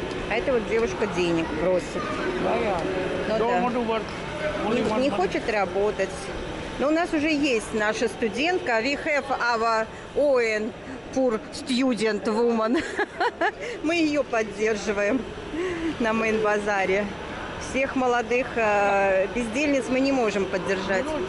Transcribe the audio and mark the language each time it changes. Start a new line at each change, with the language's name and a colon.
Russian: Это вот девушка денег просит. Ну, да. Не хочет работать. Но у нас уже есть наша студентка.
English: We have our own poor student woman.
Russian: Мы ее поддерживаем на Мейн-базаре. Всех молодых бездельниц мы не можем поддержать.